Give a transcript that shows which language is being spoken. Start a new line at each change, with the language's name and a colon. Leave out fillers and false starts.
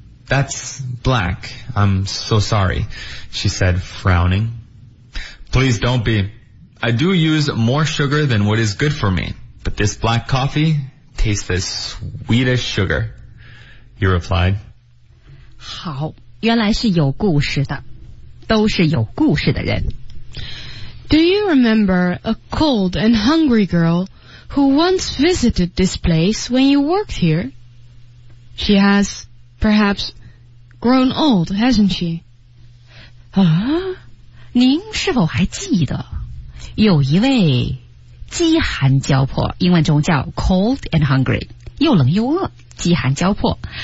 English: That's black. I'm so sorry, she said, frowning. Please don't be. I do use more sugar than what is good for me, but this black coffee tastes as sweet as sugar, he replied.
Chinese: 好，原来是有故事的，都是有故事的人。
English: Do you remember a cold and hungry girl? Who once visited this place when you worked here? She has, perhaps, grown old, hasn't she?
Chinese: 啊，您是否还记得？有一位饥寒交迫，英文中叫
English: cold and hungry,
Chinese: 又冷又饿，饥寒交迫。